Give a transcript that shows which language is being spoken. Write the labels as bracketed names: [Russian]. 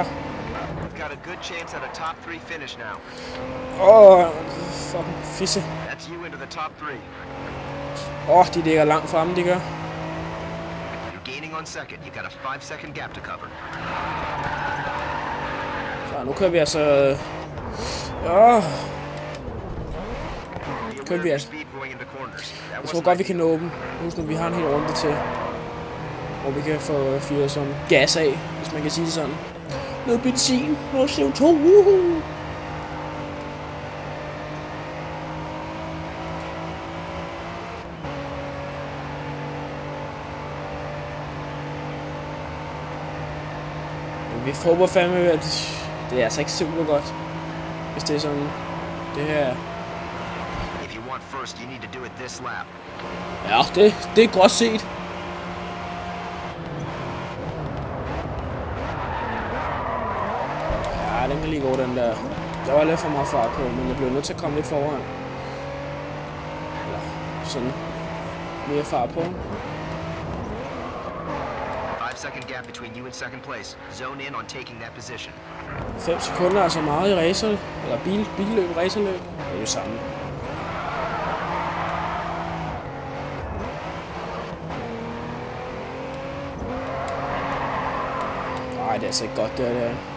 [English] We've got a good chance at a top 3 finish now. [Danish] Åh, fucking fisse. [English] That's you into the top 3. [Danish] Åh, de ligger langt fremme, de gør. [English] You're gaining on second. You got a 5 second gap to cover. [Danish] Så nu kører vi altså kører vi altså. Jeg tror godt vi kan nå dem. Husk nu, vi har en hel runde til. Hvor vi kan få fyret sådan gas af, hvis man kan sige det sådan. Noget benzin, noget CO2, wuhu! Men vi håber fandme, at det er altså ikke super godt, hvis det er sådan det her. [English] If you want first, you need to do it this lap. [Danish] Ja, det er godt set. Den kan lige gå, den der. Der var lidt for meget fart på, men jeg blev nødt til at komme lidt foran. Eller sådan mere fart på. [English] 5 second gap between you and second place. Zone in on taking that position. [Danish] 5 sekunder er så meget i racer, eller billøb, racerløb. Det er jo samme. Ej, det er altså ikke godt, det der.